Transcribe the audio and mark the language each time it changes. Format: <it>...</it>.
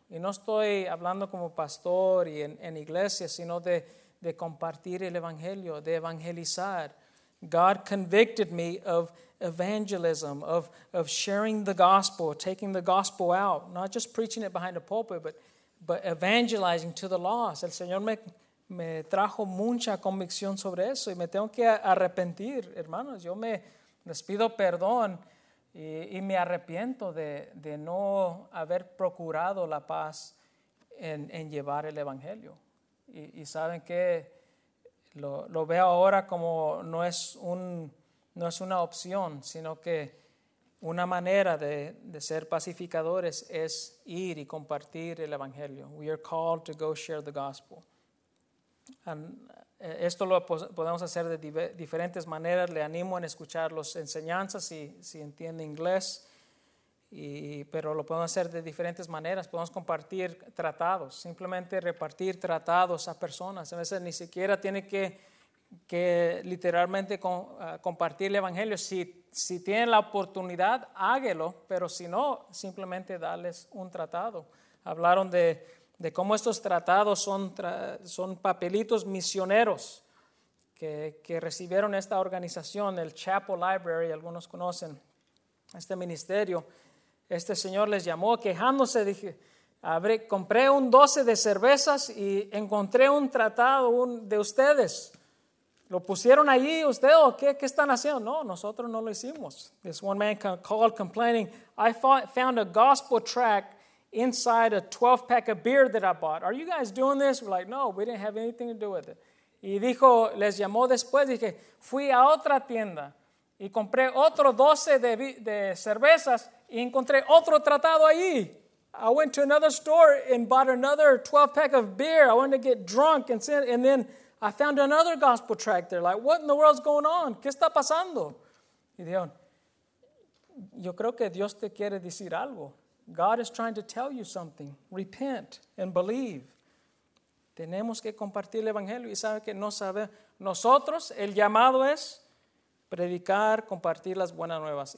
<es>Y no estoy hablando como pastor y en iglesia, sino de compartir el evangelio, de evangelizar.</es> <en>God convicted me of evangelism, of sharing the gospel, taking the gospel out, not just preaching it behind a pulpit, but evangelizing to the lost.</en> <es>El Señor me trajo mucha convicción sobre eso y me tengo que arrepentir, hermanos. Yo les pido perdón y me arrepiento de no haber procurado la paz en llevar el evangelio. Y saben que lo veo ahora como no es una opción, sino que una manera de ser pacificadores es ir y compartir el evangelio.</es> <en>We are called to go share the gospel.</en> <es>And esto lo podemos hacer de diferentes maneras. Le animo a escuchar las enseñanzas si entiende inglés. Pero lo podemos hacer de diferentes maneras. Podemos compartir tratados, simplemente repartir tratados a personas. A veces ni siquiera tiene que literalmente compartir el evangelio. Si tienen la oportunidad, háguelo, pero si no, simplemente darles un tratado. Hablaron de cómo estos tratados son papelitos misioneros que recibieron esta organización, el Chapel Library, algunos conocen este ministerio. Este señor les llamó quejándose, dije, compré un 12 de cervezas y encontré un tratado de ustedes. ¿Lo pusieron allí ustedes o qué están haciendo? No, nosotros no lo hicimos.</es> <en>This one man called complaining, I found a gospel tract inside a 12-pack of beer that I bought. Are you guys doing this? We're like, no, we didn't have anything to do with it.</en> <es>Y dijo, les llamó después, dije, fui a otra tienda y compré otro 12 de cervezas y encontré otro tratado allí.</es> <en>I went to another store and bought another 12-pack of beer. I wanted to get drunk and then I found another gospel tract there. Like, what in the world's going on?</en> <es>¿Qué está pasando? Y dijeron, yo creo que Dios te quiere decir algo.</es> <en>God is trying to tell you something. Repent and believe.</en> <es>Tenemos que compartir el evangelio. Y sabe que no sabe. Nosotros, el llamado es predicar, compartir las buenas nuevas.</es>